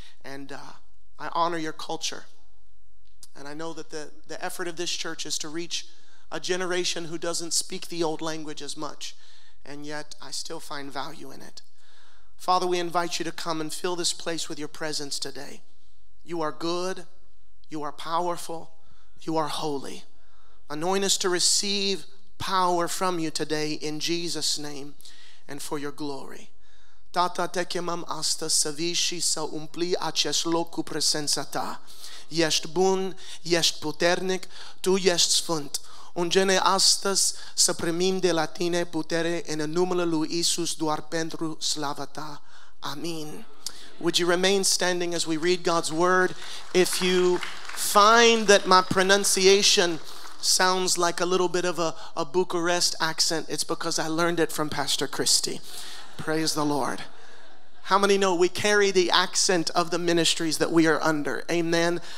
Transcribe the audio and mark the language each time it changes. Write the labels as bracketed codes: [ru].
[en] And I honor your culture. And I know that the effort of this church is to reach a generation who doesn't speak the old language as much, and yet I still find value in it. Father, we invite you to come and fill this place with your presence today. You are good, you are powerful, you are holy. Anoint us to receive power from you today in Jesus' name and for your glory. [ro] Tata te chemam asta să vii și să umpli acest loc cu prezența ta. Ești bun, ești puternic, tu ești sfânt. Ungene astăzi să primim de la tine putere în numele lui Iisus doar pentru slava ta. Amin. [en] Would you remain standing as we read God's word? If you find that my pronunciation sounds like a little bit of a Bucharest accent, it's because I learned it from Pastor Christy. Praise the Lord. How many know we carry the accent of the ministries that we are under? Amen.